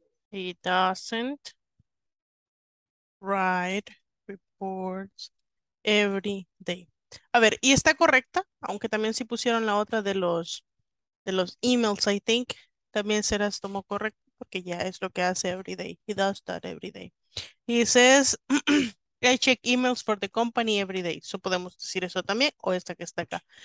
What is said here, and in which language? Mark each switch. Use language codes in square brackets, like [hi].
[en] He doesn't write reports every day. [es] A ver, ¿y está correcta? Aunque también si pusieron la otra de los emails, [en] I think, [es] también será tomó correcto. porque ya es lo que hace [en] every day. He does that every day. He says, I check emails for the company every day. [es] So podemos decir eso también, o esta que está acá.